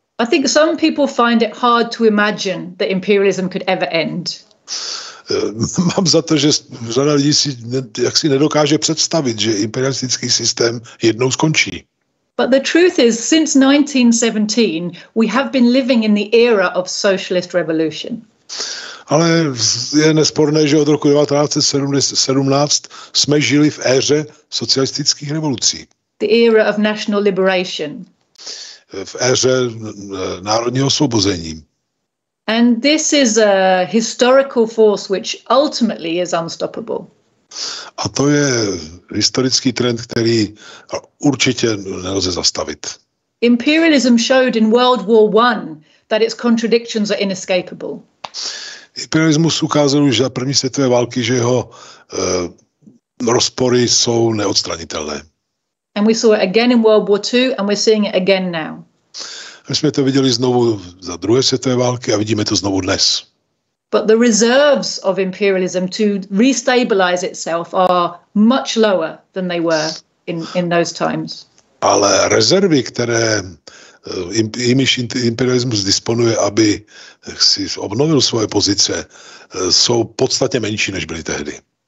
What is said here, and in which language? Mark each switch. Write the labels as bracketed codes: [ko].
[en] I think some people find it hard to imagine that imperialism could ever end. [cs] Mám za to, že řada lidí si jaksi nedokáže představit, že imperialistický systém jednou skončí. [en] But the truth is, since 1917, we have been living in the era of socialist revolution. [cs] Ale je nesporné, že od roku 1917 jsme žili v éře socialistických revolucí. [en] The era of national liberation. [cs] V éře národního osvobození. [en] And this is a historical force which ultimately is unstoppable. [cs] A to je historický trend, který určitě nelze zastavit. [en] Imperialism showed in World War I that its contradictions are inescapable. [cs] Imperialismus ukázal už za první světové války, že jeho rozpory jsou neodstranitelné. [en] And we saw it again in World War II and we're seeing it again now. [cs] My jsme to viděli znovu za druhé světové války a vidíme to znovu dnes. [en] But the reserves of imperialism to restabilize itself are much lower than they were in those times. [cs] Ale rezervy, které jimiž imperialismus disponuje, aby si obnovil svoje pozice, jsou podstatně menší, než byly tehdy.